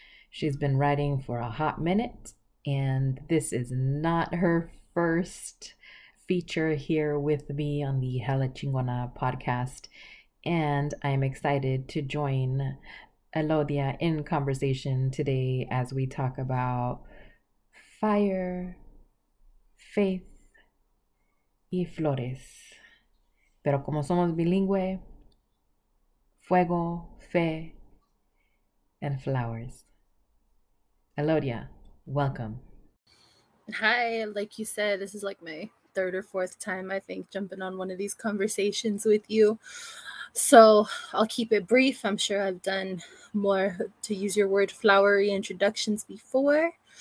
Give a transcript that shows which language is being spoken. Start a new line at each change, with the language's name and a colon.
English: She's been writing for a hot minute, and this is not her first feature here with me on the Hella Chingona podcast, and I am excited to join Elodia in conversation today as we talk about fire, faith,
Spanish: y flores. Pero como somos bilingüe, fuego, fe,
English: and flowers. Elodia, welcome. Hi, like you said, this is like my third or fourth time, I think, jumping on one of these conversations with you. So I'll keep it brief. I'm sure I've done more, to use your word, flowery introductions before.